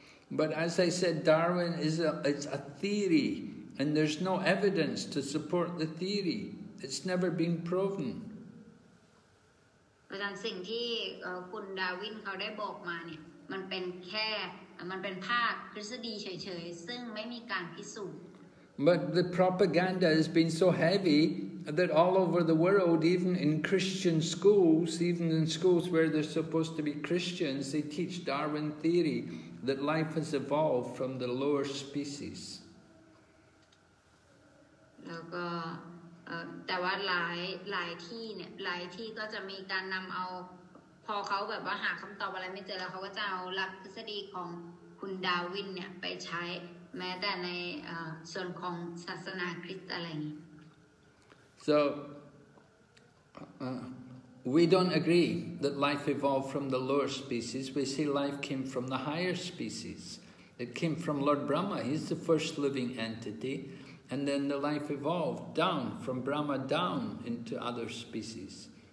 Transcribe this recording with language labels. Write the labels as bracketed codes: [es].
[en] But as I said Darwin is a theory and there's no evidence to support the theory it's never been proven. [th] เพราะฉะนั้นสิ่งที่คุณดาวินเขาได้บอกมาเนี่ยมันเป็นแค่มันเป็นภาคทฤษฎีเฉยๆซึ่งไม่มีการพิสูจน์ [en] But the propaganda has been so heavy that all over the world, even in Christian schools, even in schools where they're supposed to be Christians, they teach Darwin theory that life has evolved from the lower species. [th] แล้วก็แต่ว่าหลายที่เนี่ยหลายที่ก็จะมีการนำเอาพอเขาแบบว่าหาคำตอบอะไรไม่เจอแล้วเขาก็จะเอาหลักทฤษฎีของคุณดาวินเนี่ยไปใช้แม้แต่ในส่วนของศาสนาคริสต์อะไรอย่างนี้ [en] So we don't agree that life evolved from the lower species. We say life came from the higher species. It came from Lord Brahma. He's the first living entity. And then the life evolved down from Brahma down into other species.